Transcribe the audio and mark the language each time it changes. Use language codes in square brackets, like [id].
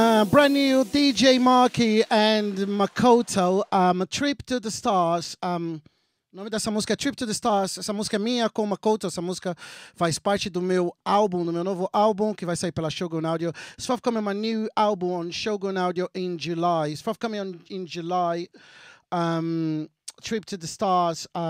[en] Brand new DJ Marky and Makoto, Trip to the Stars. [pt] Nome dessa música é Trip to the Stars. Essa música é minha com Makoto. Essa música faz parte do meu álbum, do meu novo álbum, que vai sair pela Shogun Audio. [en] It's forthcoming my new album on Shogun Audio in July. It's forthcoming in July. Trip to the Stars.